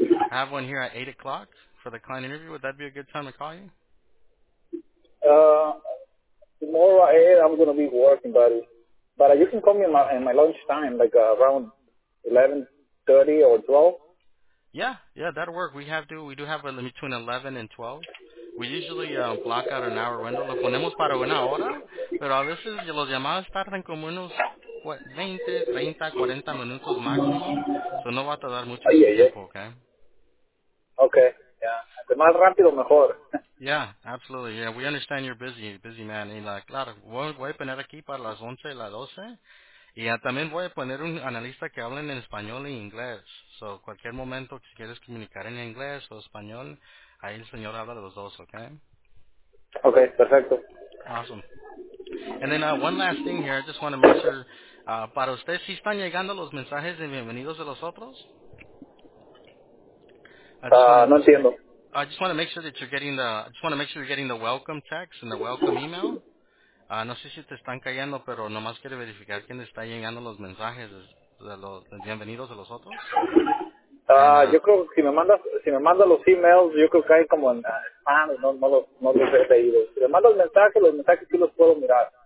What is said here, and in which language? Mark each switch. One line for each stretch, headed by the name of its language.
English: have one here at 8 o'clock for the client interview? Would that be a good time to call you? Tomorrow at 8, I'm going to be working, buddy. But you can call me in my lunch time, like around 11:30 or 12. Yeah, that'll work. We do have between 11 and 12. We usually block out an hour window.
Spanish: Lo ponemos para una hora, pero a veces los llamados tardan como unos 20, 30, 40 minutos máximo. So no va a tardar mucho tiempo, ¿ok? Ok, yeah. Más rápido, mejor.
English: Yeah, absolutely. Yeah, we understand you're busy man.
Spanish: Y claro, voy a poner aquí para las 11 y las 12. Y también voy a poner un analista que hable en español e inglés. So cualquier momento que quieres comunicar en inglés o español, ahí el señor habla de los dos, okay? Okay, perfecto.
English: Awesome. And then one last thing here, I just want to make sure,
Spanish: para usted, ¿sí están llegando los mensajes de bienvenidos de los otros? No entiendo.
English: I just want to make sure you're getting the welcome text and the welcome email.
Spanish: No sé si te están cayendo, pero nomás quiere verificar quién está llegando los mensajes de los bienvenidos de los otros. Yo creo que si me manda los emails, yo creo que hay como en spam, no los he leído. Si me manda los mensajes sí los puedo mirar.